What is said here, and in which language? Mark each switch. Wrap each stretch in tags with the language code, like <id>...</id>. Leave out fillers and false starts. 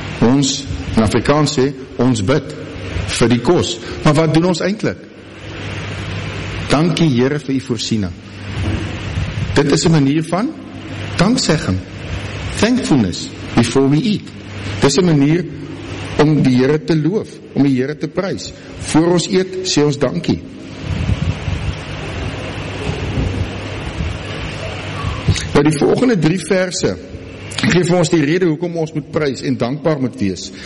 <af>Ons, in Afrikaans sê, ons bid vir die kos. Maar wat doen ons eintlik? Dankie Here vir u voorsiening. Dit is 'n manier van danksegging.</af> <en>Thankfulness before we eat.</en> <af>Dit is 'n manier om die Here te loof, om die Here te prys. Voor ons eet, sê ons dankie. By die volgende drie verse, geef ons die rede hoekom ons moet prys en dankbaar moet wees.</af>